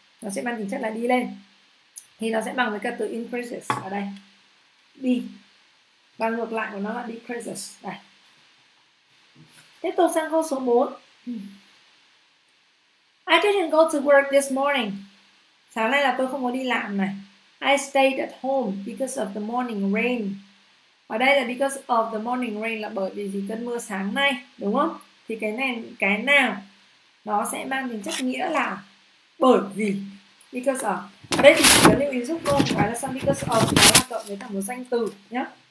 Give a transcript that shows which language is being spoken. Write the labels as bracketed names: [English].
[Vietnamese] Nó sẽ mang tính chất là đi lên. Thì nó sẽ bằng với cái từ increases ở đây. Đi. Và ngược lại của nó là decreases. Đây. Tiếp tục sang câu số 4. [English] I didn't go to work this morning. [Vietnamese] Sáng nay là tôi không có đi làm này. [English] I stayed at home because of the morning rain. [Vietnamese] Ở đây là [English] because of the morning rain [Vietnamese] là bởi vì gì? Cơn mưa sáng nay, đúng không? Thì cái này, cái nào nó sẽ mang tính chất nghĩa là bởi vì, because of. Đây thì chỉ có lưu ý giúp cô một cái là sao because of nó là cộng với cả một danh từ nhé.